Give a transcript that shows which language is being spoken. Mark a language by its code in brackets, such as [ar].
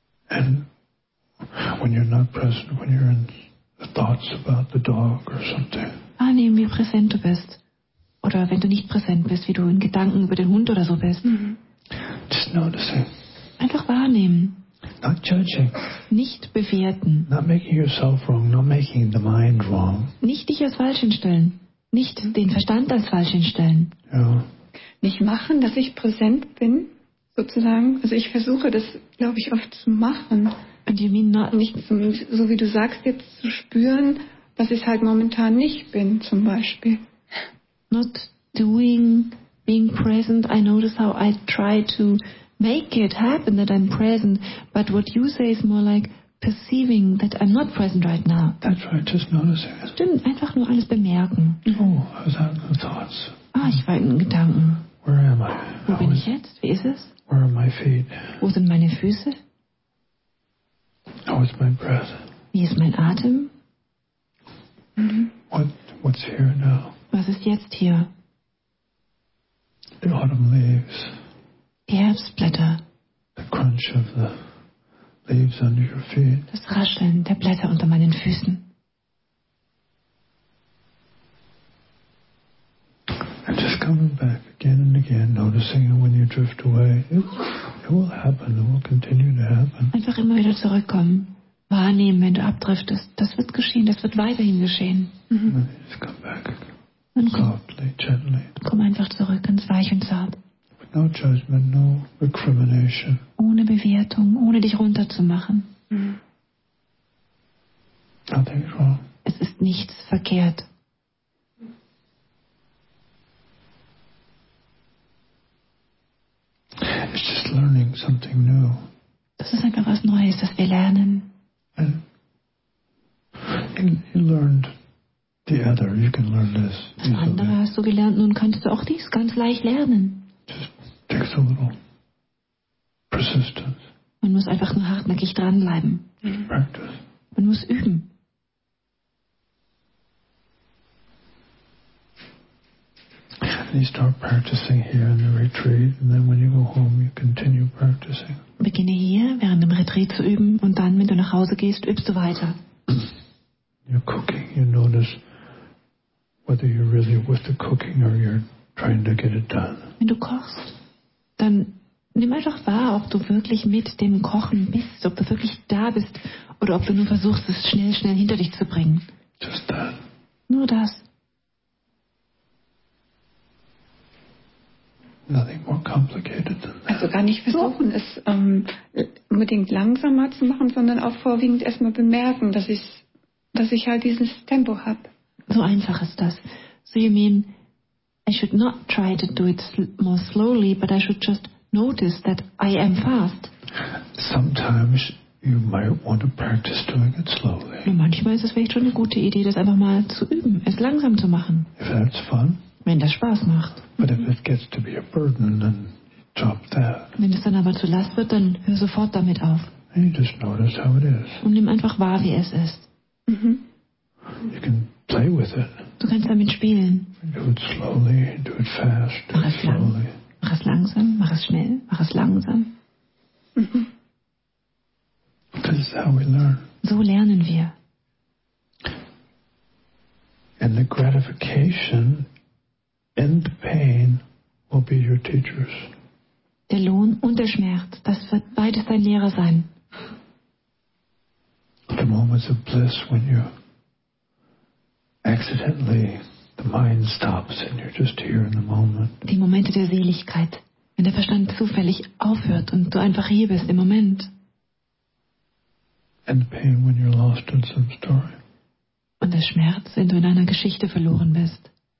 [en] And when you're not present, when you're in the thoughts about the dog or something. [de] Wahrnehmen, wie präsent du bist. Oder wenn du nicht präsent bist, wie du in Gedanken über den Hund oder so bist. [en] Just noticing. [de] Einfach wahrnehmen. [en] Not judging. [de] Nicht bewerten. [en] Not making yourself wrong, not making the mind wrong. [de] Nicht dich als falsch hinstellen. Nicht den Verstand als falsch hinstellen. Ja. Nicht machen, dass ich präsent bin, sozusagen. Also ich versuche das, glaube ich, oft zu machen. [en] And you mean not? [de] Nicht zum, so wie du sagst, jetzt zu spüren, dass ich halt momentan nicht bin, zum Beispiel. [en] Not doing, being present. I notice how I try to make it happen that I'm present, but what you say is more like perceiving that I'm not present right now. That's right, just noticing it. [de] Stimmt, einfach nur alles bemerken. [en] Oh, I was out in the thoughts. [de] Ah, ich war in Gedanken. [en] Where am I? [de] Wo bin ich jetzt? Wie ist es? [en] Where are my feet? [de] Wo sind meine Füße? [en] How is my breath? [de] Wie ist mein Atem? [en] What's here now? [de] Was ist jetzt hier? [en] The autumn leaves. [de] Die Herbstblätter. [en] The crunch of the leaves under your feet. [de] Das Rascheln der Blätter unter meinen Füßen. [en] And just coming back again and again, noticing it when you drift away. It will happen. It will continue to happen. [de] Einfach immer wieder zurückkommen. Wahrnehmen, wenn du abdriftest. Das wird geschehen. Das wird weiterhin geschehen. [en] Mm-hmm. Just come back again. Und softly, gently. [de] Komm einfach zurück, ganz weich und zart. [en] With no judgment, no recrimination. [de] Ohne Bewertung, ohne dich runterzumachen. [en] Nothing's wrong. [de] Es ist nichts verkehrt. [en] It's just learning something new. [de] Das ist einfach was Neues, das wir lernen. [en] You learned the other. You can learn this. [de] Das andere hast du gelernt, nun kannst du auch dies ganz leicht lernen. [en] Just takes a little persistence. [de] Man muss einfach nur hartnäckig dranbleiben. [en] Practice. [de] Man muss üben. [en] You start practicing here in the retreat, and then when you go home, you continue practicing. [de] Beginne hier während dem Retreat zu üben, und dann, wenn du nach Hause gehst, übst du weiter. [en] You're cooking. You notice whether you're really with the cooking or you're trying to get it done. [de] Wenn du kochst, dann nimm einfach wahr, ob du wirklich mit dem Kochen bist, ob du wirklich da bist, oder ob du nur versuchst, es schnell hinter dich zu bringen. [en] Just that. [de] Nur das. [en] Nothing more complicated than that. [de] Also gar nicht versuchen, es unbedingt langsamer zu machen, sondern auch vorwiegend erstmal bemerken, dass ich halt dieses Tempo habe. So einfach ist das. [en] So you mean, I should not try to do it more slowly, but I should just notice that I am fast. Sometimes you might want to practice doing it slowly. [de] Nur manchmal ist es vielleicht schon eine gute Idee, das einfach mal zu üben, es langsam zu machen. [en] If that's fun. [de] Wenn das Spaß macht. [en] But if it gets to be a burden, then drop that. [de] Wenn es dann aber zu Last wird, dann hör sofort damit auf. [en] And you just notice how it is. [de] Und nimm einfach wahr, wie es ist. [en] You can play with it. [de] Du kannst damit spielen. [en] Do it slowly, do it fast, do it slowly. [de] Mach es langsam, mach es schnell, mach es langsam. [en] This is how we learn. [de] So lernen wir. [en] And the gratification and the pain will be your teachers. [de] Der Lohn und der Schmerz, das wird beides dein Lehrer sein. [en] The moments of bliss when you accidentally the mind stops and you're just here in the moment. [de] Die Momente der Seligkeit, wenn der Verstand zufällig aufhört und du einfach hier bist im Moment. [en] And the pain when you're lost in some story. [de] Und der Schmerz, wenn du in einer Geschichte verloren bist.